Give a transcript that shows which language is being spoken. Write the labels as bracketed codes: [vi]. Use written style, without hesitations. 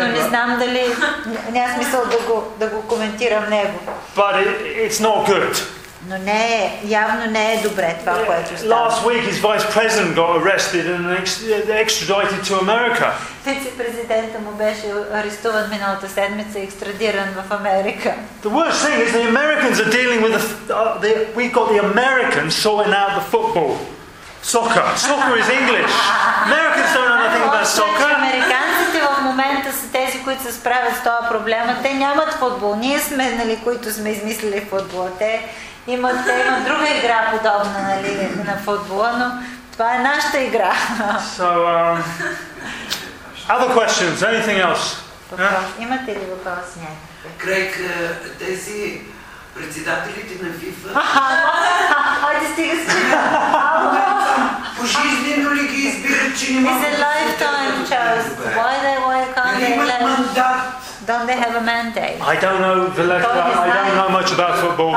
[bg] Но не знам дали няма смисъл да го коментирам него. [en] But it's not good. [bg] Но не е, явно не е добре това, което става. [en] Last week his vice president got arrested and extradited to America. [bg] Вице-президента му беше арестуван миналата седмица и екстрадиран в Америка. [en] The worst thing is the Americans are dealing with we got the Americans sorting out the football. Soccer. Soccer is English. Americans don't know anything about soccer. [bg] Американците в момента са тези, които се справят с този проблем. Те нямат футбол. Ние сме, нали, които сме измислили футбола. Има друга игра подобна, нали, на футбола, но това е нашата игра. [en] So, other questions? Anything else? [bg] Имате ли въпроси някакви? Крейг, тези председателите на FIFA. Хайде, стига си. Пожизнено ли ги избират, че не могат? [en] Is it lifetime, Charles? Why can't they let? Don't they have a mandate? I don't know, Valetta. I don't know much about football.